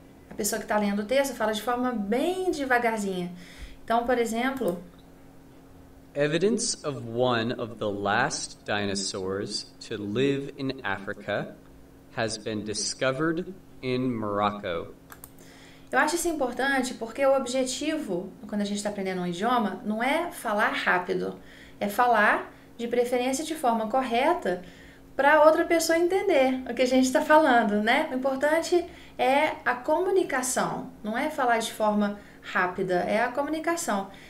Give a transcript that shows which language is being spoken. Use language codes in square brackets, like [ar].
[pt] A pessoa que está lendo o texto fala de forma bem devagarzinha. Então, por exemplo, [en] Evidence of one of the last dinosaurs to live in Africa has been discovered in Morocco. [pt] eu acho isso importante porque o objetivo, quando a gente está aprendendo um idioma, não é falar rápido, é falar de preferência de forma correta para outra pessoa entender o que a gente está falando, né? O importante é a comunicação, não é falar de forma rápida, é a comunicação.